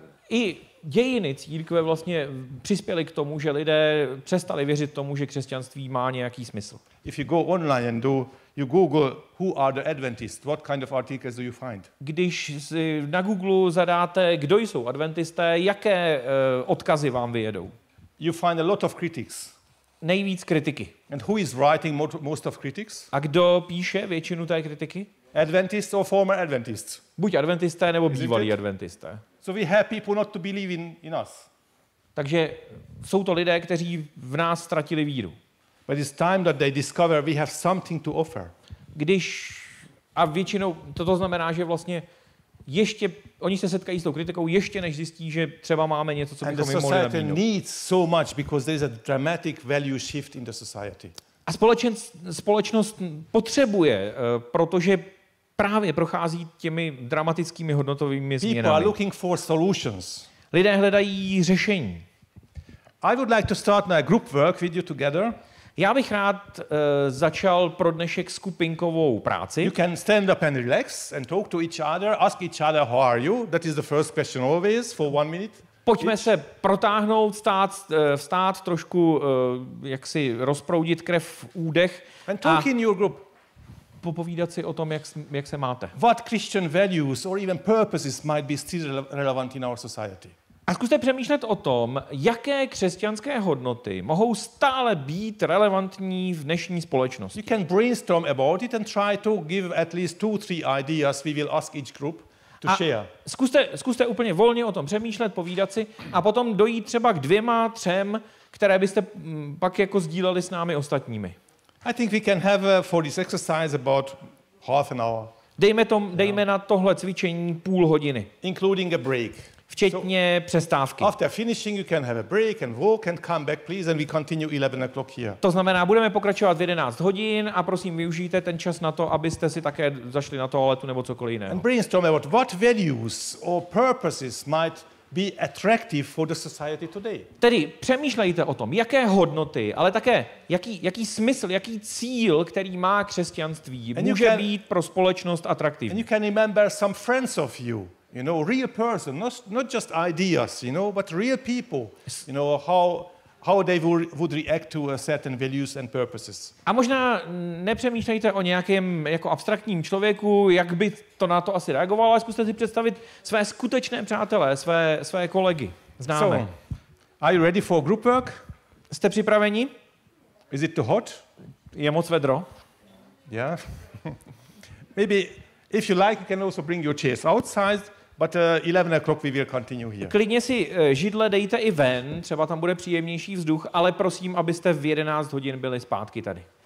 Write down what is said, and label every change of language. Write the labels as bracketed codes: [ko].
[cs] I dějiny církve vlastně přispěly k tomu, že lidé přestali věřit tomu, že křesťanství má nějaký smysl. [en] If you go online and you Google who are the Adventists, what kind of articles do you find? [cs] Když si na Google zadáte, kdo jsou adventisté, jaké odkazy vám vyjedou? [en] You find a lot of critics. [cs] Nejvíc kritiky. [en] And who is writing most of critics? [cs] A kdo píše většinu té kritiky? [en] Adventists or former Adventists. [cs] Buď adventisté nebo bývalí adventisté. [en] So we have people not to believe in us. [cs] Takže jsou to lidé, kteří v nás ztratili víru. [en] But it's time that they discover we have something to offer. [cs] Když a většinou to znamená, že vlastně ještě oni se setkají s tou kritikou ještě než zjistí, že třeba máme něco, co bychom mohli nabídnout. [en] And needs so much because there is a dramatic value shift in the society. [cs] A společnost potřebuje, protože právě prochází těmi dramatickými hodnotovými změnami. [en] People are looking for solutions. [cs] Lidé hledají řešení. [en] I would like to start my group work with you together. [cs] Já bych rád začal pro dnešek skupinkovou práci. [en] You can stand up and relax and talk to each other, ask each other how are you. That is the first question always for one minute. [cs] Pojďme se protáhnout, vstát trošku, jaksi rozproudit krev v údech. [en] And talk in your group. [cs] Popovídat si o tom, jak se máte. [en] What Christian values or even purposes might be still relevant in our society. [cs] A zkuste přemýšlet o tom, jaké křesťanské hodnoty mohou stále být relevantní v dnešní společnosti. [en] You can brainstorm about it and try to give at least 2-3 ideas we will ask each group to share. [cs] Zkuste úplně volně o tom přemýšlet, povídat si a potom dojít třeba k 2-3, které byste pak jako sdíleli s námi ostatními. [en] I think we can have for this exercise about half an hour. [cs] Dejme na tohle cvičení půl hodiny. [en] Including a break. [cs] Včetně přestávky. [en] After finishing you can have a break and walk and come back please and we continue 11 o'clock here. [cs] To znamená, budeme pokračovat v 11 hodin a prosím využijte ten čas na to, abyste si také zašli na toaletu nebo cokoliv jiného. [en] And brainstorm about what values or purposes might be attractive for the society today. [cs] Tedy přemýšlejte o tom, jaké hodnoty, ale také jaký smysl, jaký cíl, který má křesťanství, může být pro společnost atraktivní. [en] And you can remember some friends of you. You know, real person, not just ideas, you know, but real people. You know how they would react to a certain values and purposes. [cs] A možná nepřemýšlejte o nějakém jako abstraktním člověku, jak by to na to asi reagoval, ale zkuste si představit své skutečné přátele, své kolegy, známé. [en] So, are you ready for group work? [cs] Jste připraveni? [en] Is it too hot? [cs] Je moc vedro? [en] Yeah. Maybe if you like, you can also bring your chairs outside. But 11 o'clock we will continue here. [cs] Klidně si židle dejte i ven, třeba tam bude příjemnější vzduch, ale prosím, abyste v 11 hodin byli zpátky tady.